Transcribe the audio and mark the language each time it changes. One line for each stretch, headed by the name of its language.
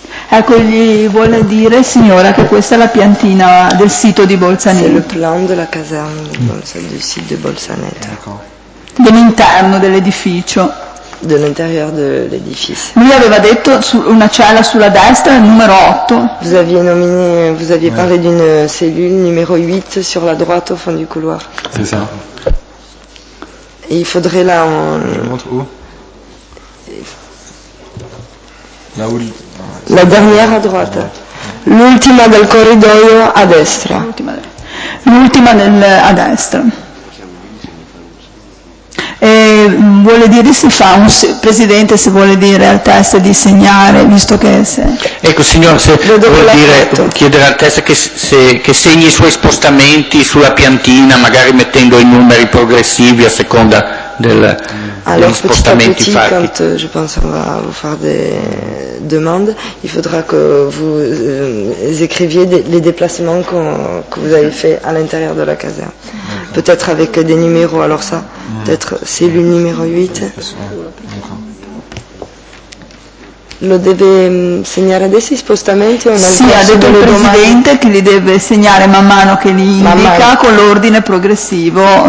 Italian: Ecco, gli vuole dire, signora, che questa è la piantina del sito di Bolzaneto.
French: C'est le plan de la caserne de Bolzaneto,
Italian: del sito di Bolzaneto. Dell'interno dell'edificio.
French: De l'intérieur de l'edificio.
Italian: Lui aveva detto una cella sulla destra, il numero 8.
French: Vous aviez nominé, vous aviez parlé d'une cellule numéro 8 sur la droite au fond du couloir. C'est ça. Et il faudrait là. Je montre où? Là où? La dernière à droite.
Italian: L'ultima del corridoio a destra. L'ultima nel a destra. E vuole dire se fa un presidente, se vuole dire al test di segnare, visto che se... Ecco signor, se vuole dire, chiedere al test che segni i suoi spostamenti sulla piantina, magari mettendo i numeri progressivi a seconda degli spostamenti
French: petit à petit, Quand je pense on va vous faire des demandes, il faudra que vous écriviez les déplacements que vous avez fait à l'intérieur de la caserne. Peut-être avec des numéros, alors ça, peut-être cellule numéro 8.
Italian: Lo deve segnare adesso i spostamenti o nel sì, corso ha detto delle il presidente domande? Che li deve segnare man mano che li indica man con l'ordine progressivo.